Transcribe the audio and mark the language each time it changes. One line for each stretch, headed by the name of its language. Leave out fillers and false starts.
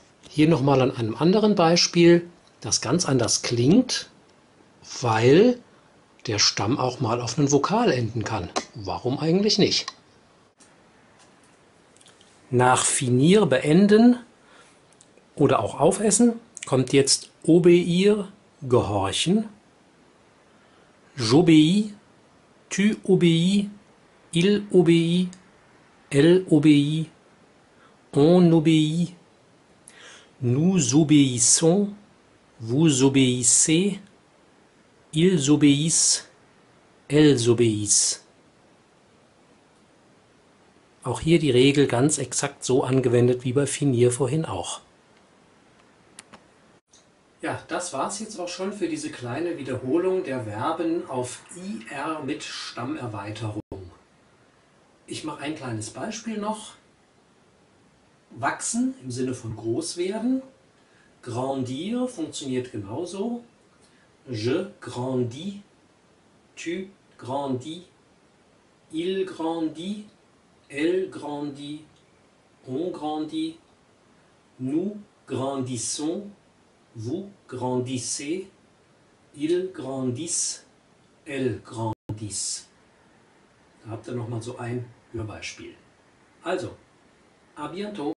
German: Hier nochmal an einem anderen Beispiel, das ganz anders klingt, weil der Stamm auch mal auf einen Vokal enden kann. Warum eigentlich nicht? Nach Finier beenden oder auch aufessen kommt jetzt obeir, gehorchen.
French: J'obéis, tu obéis, il obéit, elle obéit, on obéit, nous obéissons, vous obéissez, ils obéissent, elles obéissent.
German: Auch hier die Regel ganz exakt so angewendet wie bei Finier vorhin auch. Ja, das war's jetzt auch schon für diese kleine Wiederholung der Verben auf IR mit Stammerweiterung. Ich mache ein kleines Beispiel noch. Wachsen im Sinne von groß werden. Grandir funktioniert genauso.
French: Je grandis, tu grandis, il grandit, elle grandit, on grandit, nous grandissons. Vous grandissez, ils grandissent, elles grandissent.
German: Da habt ihr noch mal so ein Hörbeispiel. Also,
French: à bientôt.